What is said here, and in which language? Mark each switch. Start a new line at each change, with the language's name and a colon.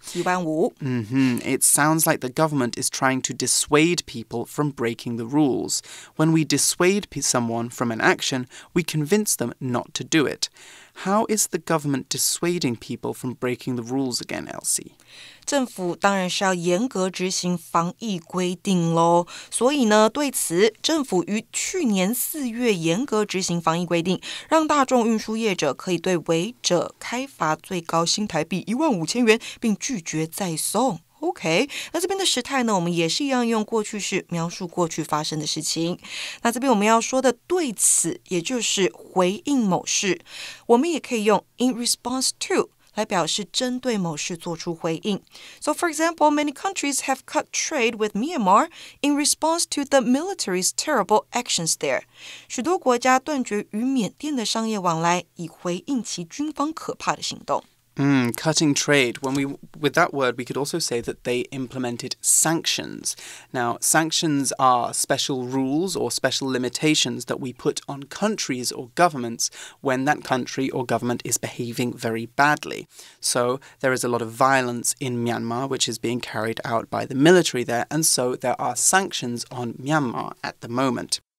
English: 15,000. Mm-hmm. It sounds like the government is trying to dissuade people from breaking the rules. When we dissuade someone from an action, we convince them not to do it. How is the government dissuading people from breaking the rules again, Elsie?
Chinese: 政府当然是要严格执行防疫规定咯。所以呢，对此，政府于去年四月严格执行防疫规定，让大众运输业者可以对违者开罚最高新台币15,000元，并拒绝再送。 OK, 那这边的时态呢，我们也是一样用过去式描述过去发生的事情。那这边我们要说的对此，也就是回应某事，我们也可以用
English: in response to
Chinese: 来表示针对某事做出回应。
English: So for example, many countries have cut trade with Myanmar in response to the military's terrible actions there.
Chinese: 许多国家断绝与缅甸的商业往来，以回应其军方可怕的行动。
English: Cutting trade. With that word, we could also say that they implemented sanctions. Now, sanctions are special rules or special limitations that we put on countries or governments when that country or government is behaving very badly. So there is a lot of violence in Myanmar, which is being carried out by the military there, and so there are sanctions on Myanmar at the moment.